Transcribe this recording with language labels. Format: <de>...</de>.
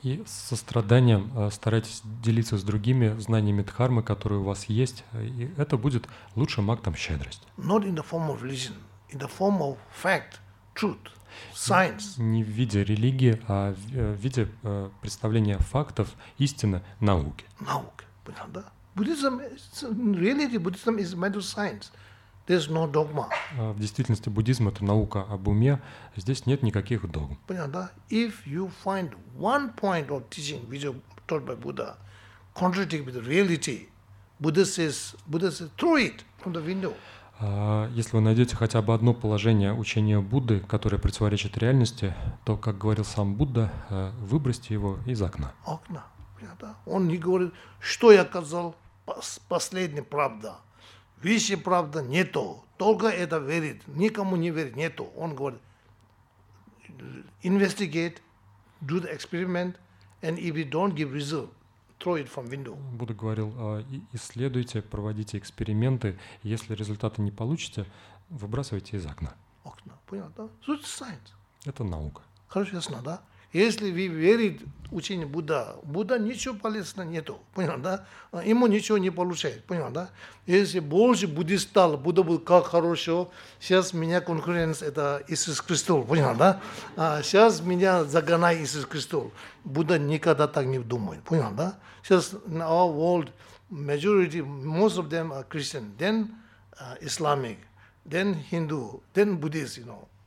<ru>И состраданием старайтесь делиться с другими знаниями дхармы, которые у вас есть, и это будет лучшим актом щедрости.</ru> <en>Not in the form of religion, in the form of fact, truth, science.</en> <ru>Не в виде религии, а в виде представления фактов, истины, науки. Науки, понял, да?</ru> <en>Buddhism, really, Buddhism is mental science. There's no dogma.</en> <ru>В действительности буддизм это наука об уме. Здесь нет никаких догм. Понятно, да?</ru> <en>If you find one point of teaching which is taught by Buddha contradicting with reality, Buddha says throw it from the window.</en> <ru>Если вы найдете хотя бы одно положение учения Будды, которое противоречит реальности, то, как говорил сам Будда, выбросьте его из окна. Окна. Понятно, да? Он не говорит, что я сказал последняя правда. Вещи правда нету, только это верит, никому не верит, нету. Он говорит,</ru> <en>investigate, do the experiment, and if you don't give result, throw it from window.</en> <ru>Будда говорил, исследуйте, проводите эксперименты, если результаты не получите, выбрасывайте из окна. Окна, понял, да?</ru> <en>So it's science.</en> <ru>Это наука. Хорошо, ясно, да? Если вы верите в учение Будда, Будда ничего полезного нету, понял, да? Ему ничего не получает, понял, да? Если больше буддист стал, Будда будет как хорошо, сейчас меня конкуренция – это Иисус Христос, понял, да? Сейчас меня загонает Иисус Христос. Будда никогда так не думает, понял, да? Сейчас</ru> <en>in our world, majority, most of them are Christian, then Islamic, then Hindu, then Buddhist, you know.</en>